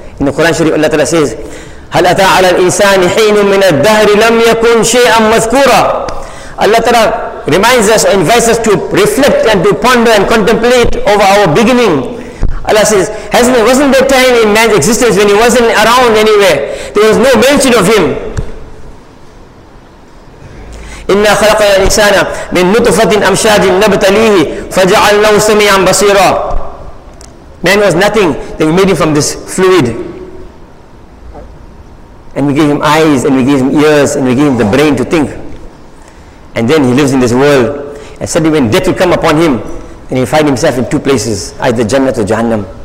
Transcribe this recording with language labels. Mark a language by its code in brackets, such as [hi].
[en] In the Quran Sharif, Allah Ta'ala says, [ar] هَلْ أَتَى عَلَى الْإِنسَانِ حِينُ مِنَ الدَّهْرِ لَمْ يَكُنْ شَيْئًا مَذْكُورًا. [en] Allah Ta'ala reminds us, invites us to reflect and to ponder and contemplate over our beginning. Allah says, wasn't there time in man's existence when he wasn't around anywhere? There was no mention of him. [ar] إنا خلقنا الإنسان من نطفة أمشاج نبتليه فجعلناه سميعا بصيرا. [en] Man was nothing. Then we made him from this fluid, and we gave him eyes, and we gave him ears, and we gave him the brain to think. And then he lives in this world. And suddenly, when death will come upon him, then he find himself in two places: either Jannah or Jahannam.